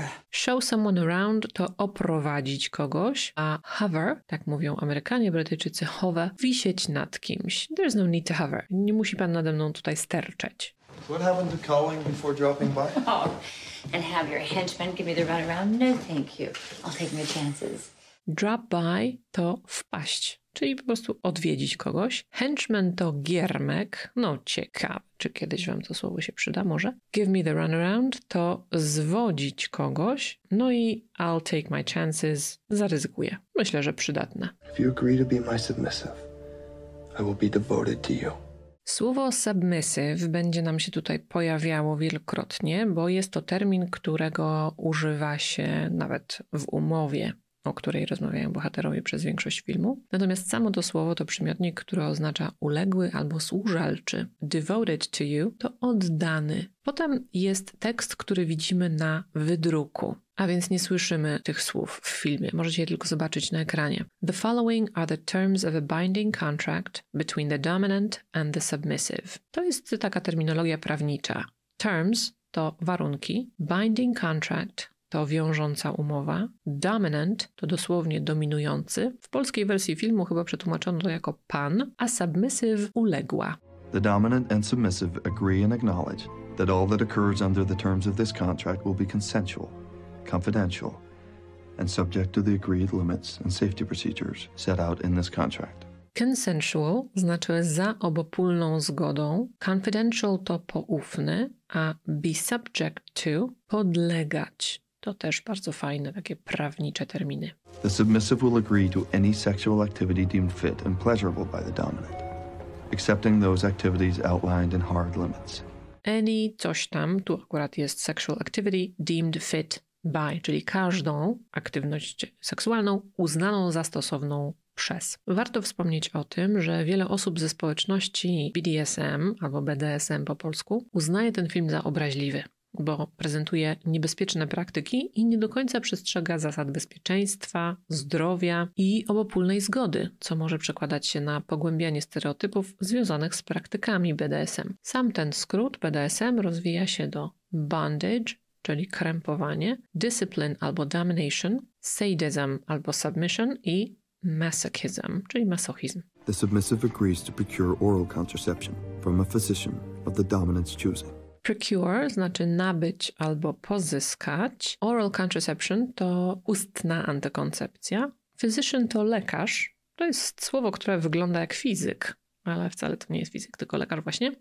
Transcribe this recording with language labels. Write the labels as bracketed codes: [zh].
[en] Show someone around [pl] to oprowadzić kogoś, a hover, tak mówią Amerykanie, Brytyjczycy, hover, wisieć nad kimś. [en] There's no need to hover. [pl] Nie musi pan nade mną tutaj sterczeć. [en] What happened to calling before dropping by? Oh, and have your henchmen give me the runaround? No, thank you. I'll take my chances. [pl] Drop by to wpaść, czyli po prostu odwiedzić kogoś. Henchman to giermek. No ciekawe, czy kiedyś wam to słowo się przyda, może. [en] Give me the runaround [pl] to zwodzić kogoś. No i [en] I'll take my chances. [pl] Zaryzykuję. Myślę, że przydatne. [en] If you agree to be my submissive, I will be devoted to you. [pl] Słowo submissive będzie nam się tutaj pojawiało wielokrotnie, bo jest to termin, którego używa się nawet w umowie, o której rozmawiają bohaterowie przez większość filmu. Natomiast samo to słowo to przymiotnik, który oznacza uległy albo służalczy. Devoted to you to oddany. Potem jest tekst, który widzimy na wydruku, a więc nie słyszymy tych słów w filmie. Możecie je tylko zobaczyć na ekranie. [en] The following are the terms of a binding contract between the dominant and the submissive. [pl] To jest taka terminologia prawnicza. Terms to warunki, binding contract to wiążąca umowa. Dominant to dosłownie dominujący. W polskiej wersji filmu chyba przetłumaczono to jako pan, a submissive uległa. [en] The dominant and submissive agree and acknowledge that all that occurs under the terms of this contract will be consensual, confidential, and subject to the agreed limits and safety procedures set out in this contract. [pl] Consensual znaczy za obopólną zgodą, confidential to poufny, a be subject to podlegać. To też bardzo fajne, takie prawnicze terminy. [en] The submissive will agree to any sexual activity deemed fit and pleasurable by the dominant, excepting those activities outlined in hard limits. [pl] Any coś tam, tu akurat jest [en] sexual activity deemed fit by, [pl] czyli każdą aktywność seksualną uznaną za stosowną przez. Warto wspomnieć o tym, że wiele osób ze społeczności BDSM albo BDSM po polsku uznaje ten film za obraźliwy, bo prezentuje niebezpieczne praktyki i nie do końca przestrzega zasad bezpieczeństwa, zdrowia i obopólnej zgody, co może przekładać się na pogłębianie stereotypów związanych z praktykami BDSM. Sam ten skrót BDSM rozwija się do bondage, czyli krępowanie, discipline albo domination, sadism albo submission i masochism, czyli masochizm. [en] The submissive agrees to procure oral contraception from a physician of the dominant's choosing. [pl] Procure znaczy nabyć albo pozyskać. Oral contraception to ustna antykoncepcja. Physician to lekarz. To jest słowo, które wygląda jak fizyk, ale wcale to nie jest fizyk, tylko lekarz właśnie.